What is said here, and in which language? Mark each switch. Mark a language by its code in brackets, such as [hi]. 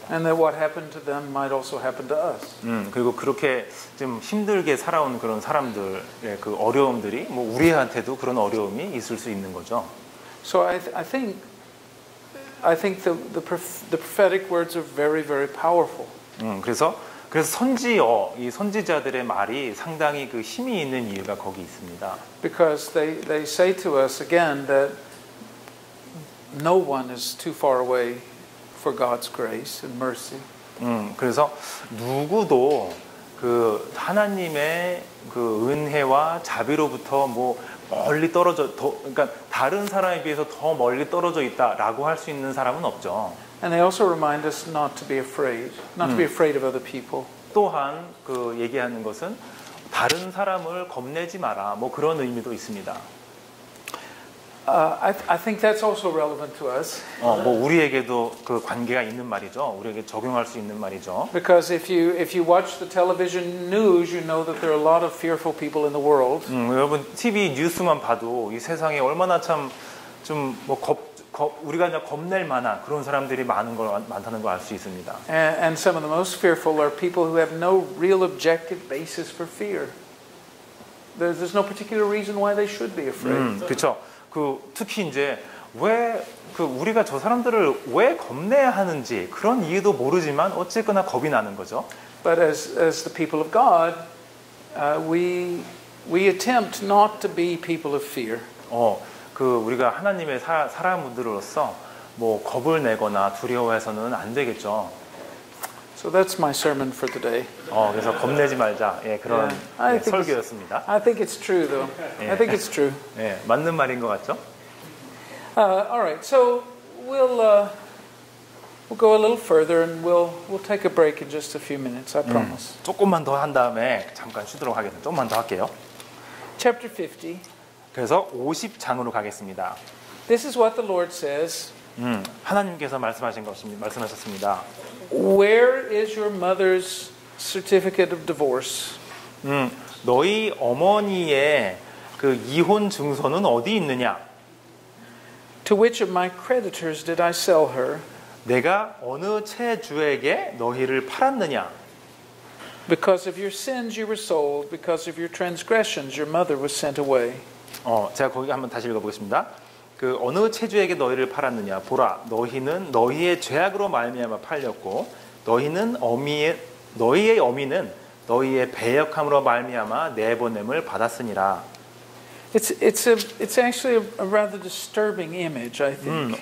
[en] And that what happened to them might also happen to us. [ko] 그리고 그렇게 좀 힘들게 살아온 그런 사람들의 그 어려움들이 뭐 우리한테도 그런 어려움이 있을 수 있는 거죠. [en] So I think the prophetic words are very very powerful. [ko] 그래서 선지자들의 말이 상당히 그 힘이 있는 이유가 거기 있습니다. [en] Because they say to us again that no one is too far away for God's grace and mercy. [ko] 그래서 누구도 그 하나님의 그 은혜와 자비로부터 뭐 멀리 떨어져 더 그러니까 다른 사람에 비해서 더 멀리 떨어져 있다라고 할 수 있는 사람은 없죠. [en] And they also remind us not to be afraid, not to be afraid of other people. [ko] 또한 그 얘기하는 것은 다른 사람을 겁내지 마라. 뭐 그런 의미도 있습니다. [en] I think that's also relevant to us. [ko] 뭐 우리에게도 그 관계가 있는 말이죠. 우리에게 적용할 수 있는 말이죠. [en] Because if you watch the television news, you know that there are a lot of fearful people in the world. [ko] 여러분 TV 뉴스만 봐도 이 세상에 얼마나 참 좀 뭐 우리가 그냥 겁낼 만한 그런 사람들이 많다는 걸 알 수 있습니다. [en] And some of the most fearful are people who have no real objective basis for fear. There's no particular reason why they should be afraid. [ko] 그렇죠. 그 특히 이제 왜 그 우리가 저 사람들을 왜 겁내야 하는지 그런 이유도 모르지만 어쨌거나 겁이 나는 거죠. [en] But as the people of God, we attempt not to be people of fear. [ko] 그 우리가 하나님의 사람들로서 뭐 겁을 내거나 두려워해서는 안 되겠죠. [en] So that's my sermon for today. [ko] 그래서 겁내지 말자. 예, 그런 yeah. 예, 설교였습니다. [en] I think it's true though. 예. I think it's true. [ko] 예, 맞는 말인 것 같죠? [en] All right. So we'll go a little further and we'll take a break in just a few minutes. I promise. [ko] 조금만 더 한 다음에 잠깐 쉬도록 하겠습니다. 조금만 더 할게요. [en] Chapter 50. [ko] 그래서 50장으로 가겠습니다. [en] This is what the Lord says. [ko] 하나님께서 말씀하신 것입니다. 말씀하셨습니다. [en] Where is your mother's certificate of divorce? [ko] 너희 어머니의 그 이혼 증서는 어디 있느냐? [en] To which of my creditors did I sell her? [ko] 내가 어느 채주에게 너희를 팔았느냐? [en] Because of your sins you were sold, because of your transgressions your mother was sent away. [ko] 제가 거기 한번 다시 읽어 보겠습니다. 그 어느 채주에게 너희를 팔았느냐? 보라, 너희는 너희의 죄악으로 말미암아 팔렸고, 너희의 어미는 너희의 배역함으로 말미암아 내보냄을 받았으니라. [en] It's actually a rather disturbing image, I think.